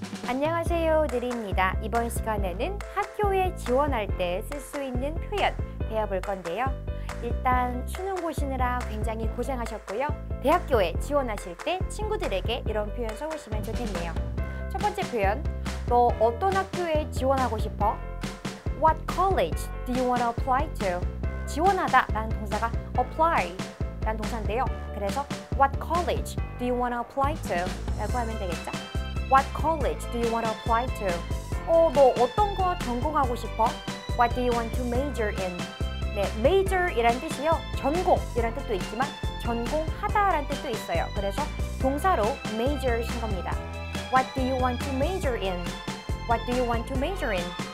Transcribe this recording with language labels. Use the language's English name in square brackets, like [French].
[Korean] 안녕하세요, 느리입니다. 이번 시간에는 학교에 지원할 때 쓸 수 있는 표현 배워볼 건데요. 일단 수능 보시느라 굉장히 고생하셨고요. 대학교에 지원하실 때 친구들에게 이런 표현 써보시면 좋겠네요. 첫 번째 표현, 너 어떤 학교에 지원하고 싶어? [English] What college do you want to apply to? [Korean] 지원하다 라는 동사가 apply 라는 동사인데요. 그래서 [English] What college do you want to apply to? [Korean] 라고 하면 되겠죠? [English] What college do you want to apply to? [Korean] 너 어떤 거 전공하고 싶어? [English] What do you want to major in? [Korean] 네, major 이란 뜻이요. 전공 이란 뜻도 있지만 전공하다 라는 뜻도 있어요. 그래서 동사로 major 쓴 겁니다. [English] What do you want to major in? What do you want to major in?